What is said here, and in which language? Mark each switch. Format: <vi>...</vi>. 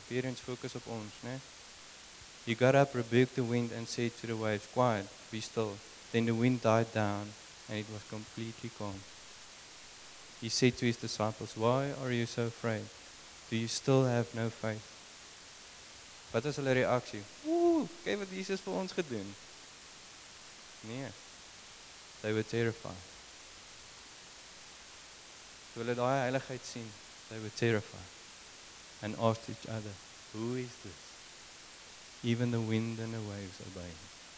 <en>Parents,</en> <af>focus op ons, né?</af> <en>He got up, rebuked the wind and said to the waves, "Quiet, be still." Then the wind died down and it was completely calm. He said to his disciples, "Why are you so afraid? Do you still have no faith?"</en> <af>Wat was hulle reaksie? Ooh, kyk wat Jesus vir ons gedoen. Nee.</af> <en>They were terrified.</en> <af>Toe hulle daai heiligheid sien,</af> <en>they were terrified. And asked each other, "Who is this? Even the wind and the waves obey him."</en>